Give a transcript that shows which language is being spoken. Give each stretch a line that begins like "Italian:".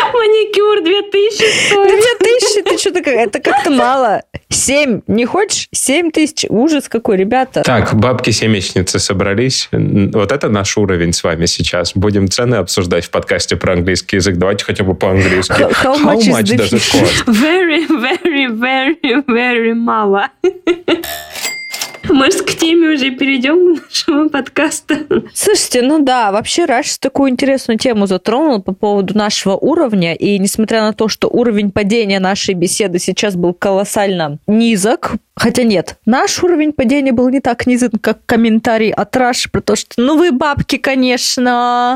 Russian: Маникюр 2000 стоит. 2000? Ты что такая? Это как-то мало. 7. Не хочешь? 7000. Ужас какой, ребята. Так, бабки-семечницы собрались. Вот это наш уровень с вами сейчас. Будем цены обсуждать в подкасте про английский язык. Давайте хотя бы по-английски.
English: How much does it cost? Very, very, very, very
Russian: мало. Может, к теме уже перейдем нашего подкаста? Слушайте, ну да, вообще Раш такую интересную тему затронул по поводу нашего уровня, и несмотря на то, что уровень падения нашей беседы сейчас был колоссально низок, хотя нет, наш уровень падения был не так низок, как комментарий от Раши про то, что, ну, вы бабки, конечно.